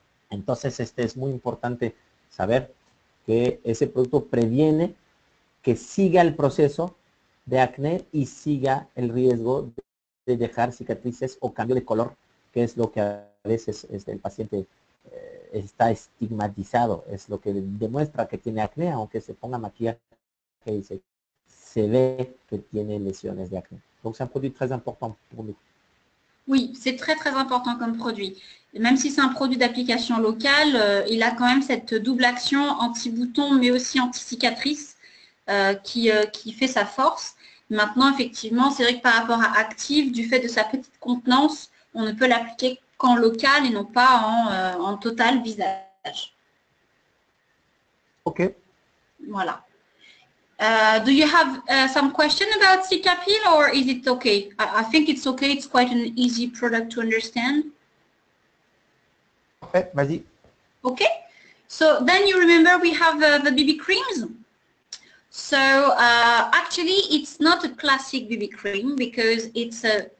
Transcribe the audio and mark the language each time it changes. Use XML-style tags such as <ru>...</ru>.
<es>Entonces, es muy importante saber que ese producto previene que siga el proceso de acné y siga el riesgo de dejar cicatrices o cambio de color, que es lo que a veces el paciente está estigmatizado, es lo que demuestra que tiene acné, aunque se ponga maquillaje y se ve que tiene lesiones de acné. Entonces, es un producto muy importante para nosotros.</es> <fr>Oui, c'est très très important comme produit. Et même si c'est un produit d'application locale, il a quand même cette double action anti-bouton mais aussi anti-cicatrice qui fait sa force. Maintenant, effectivement, c'est vrai que par rapport à Active, du fait de sa petite contenance, on ne peut l'appliquer qu'en local et non pas en total visage. Ok. Voilà.</fr> <en>Do you have some question about Cicapil, or is it okay? I think it's okay. It's quite an easy product to understand.</en> <fr>Okay, vas-y.</fr> <en>Okay. So then you remember we have the BB creams. So actually, it's not a classic BB cream because it's a.</en>